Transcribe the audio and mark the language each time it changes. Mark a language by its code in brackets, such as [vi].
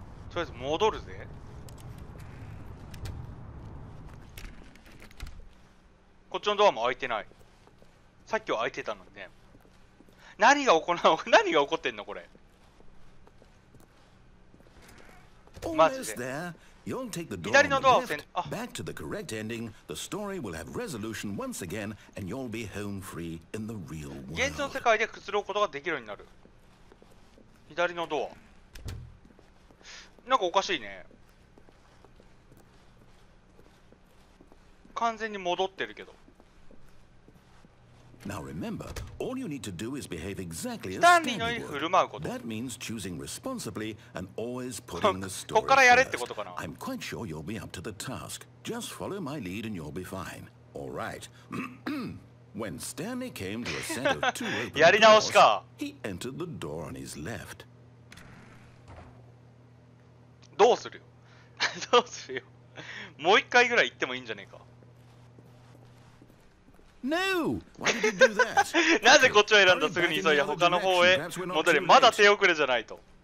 [ja] とりあえず戻るぜ。こっちのドアも開いてない。さっきは開いてたのにね。何が行う、何が起こってんのこれ。マジで。 [en] You'll take the door on the left, back to the correct ending. The story will have resolution once again, and you'll be home free in the real world. [ja] 現実の世界でくつろうことができるようになる。左のドア。なんかおかしいね。完全に戻ってるけど。 [en] Now remember, all you need to do is behave exactly as Stanley would. That means choosing responsibly and always putting the story [ja] ここからやれってことかな。 [en] I'm quite sure you'll be up to the task. Just follow my lead and you'll be fine. All right. When Stanley came to a set of two open doors, he entered the door on his left. [ja] どうするよ。どうするよ。もう一回ぐらい行ってもいいんじゃねえか。 [en] No! Why did you do that? [ja] なぜこっちを選んだ。すぐに急いで他の方へ戻れ。まだ手遅れじゃないと。